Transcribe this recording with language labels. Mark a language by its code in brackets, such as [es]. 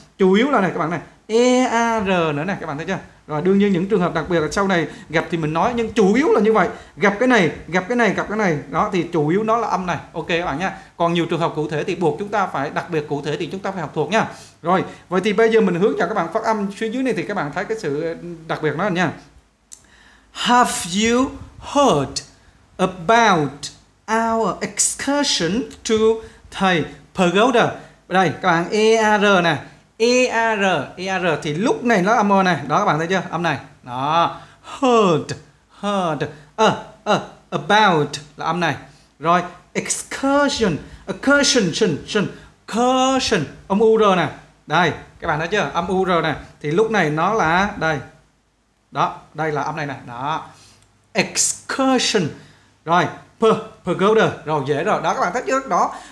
[vi] Chủ yếu là này các bạn này, EAR nữa này, các bạn thấy chưa? Rồi đương nhiên những trường hợp đặc biệt là sau này gặp thì mình nói, nhưng chủ yếu là như vậy, gặp cái này, gặp cái này, gặp cái này, đó thì chủ yếu nó là âm này. Ok các bạn nha. Còn nhiều trường hợp cụ thể thì buộc chúng ta phải đặc biệt cụ thể thì chúng ta phải học thuộc nha. Rồi, vậy thì bây giờ mình hướng cho các bạn phát âm phía dưới này thì các bạn thấy cái sự đặc biệt nó nha. [en] Have you heard about our excursion to Thai Pagoda? [vi] Đây các bạn, EAR nè, EAR, EAR thì lúc này nó âm O này, đó các bạn thấy chưa, âm này, đó, heard, heard, about là âm này, rồi, excursion, excursion, excursion, excursion, âm UR nè, đây, các bạn thấy chưa, âm UR nè, thì lúc này nó là, đây, đó, đây là âm này nè, đó, excursion, rồi, pagoda, rồi dễ rồi, đó các bạn thấy chưa, đó,